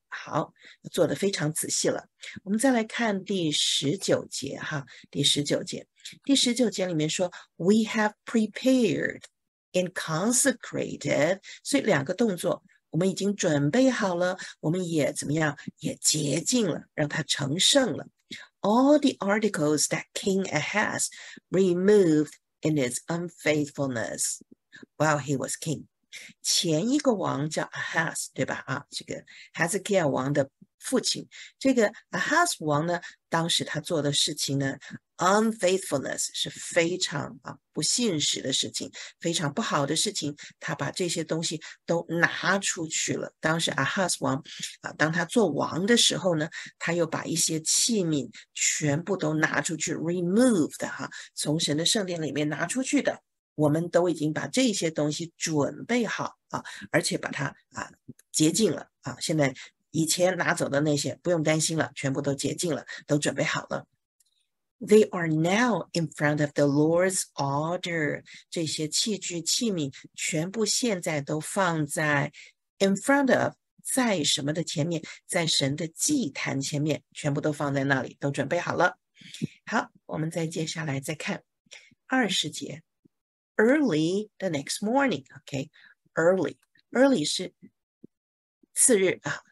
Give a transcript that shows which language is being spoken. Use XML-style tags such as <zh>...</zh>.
<zh>好，做得非常仔细了。我们再来看第十九节哈，第十九节，第十九节里面说，</zh> <en>we have prepared and consecrated，</en> <zh>所以两个动作。我们已经准备好了，我们也怎么样？也洁净了，让它成圣了。</zh> <en>All the articles that King Ahaz removed in his unfaithfulness while he was king。</en> <zh>前一个王叫 Ahaz，对吧？啊，这个 Hezekiah 王的父亲，这个 Ahaz 王呢，当时他做的事情呢，unfaithfulness 是非常啊不信实的事情，非常不好的事情。他把这些东西都拿出去了。当时 Ahaz 王啊，当他做王的时候呢，他又把一些器皿全部都拿出去，removed 哈，从神的圣殿里面拿出去的。我们都已经把这些东西准备好啊，而且把它啊洁净了啊，现在。以前拿走的那些不用担心了，全部都洁净了，都准备好了。</zh> <en>They are now in front of the Lord's altar。</en> <zh>这些器具、器皿全部现在都放在</zh> <en>in front of，</en> <zh>在什么的前面，在神的祭坛前面，全部都放在那里，都准备好了。好，我们再接下来再看二十节。</zh> <en>Early the next morning，OK，early，early</en> <zh>是次日啊。</zh>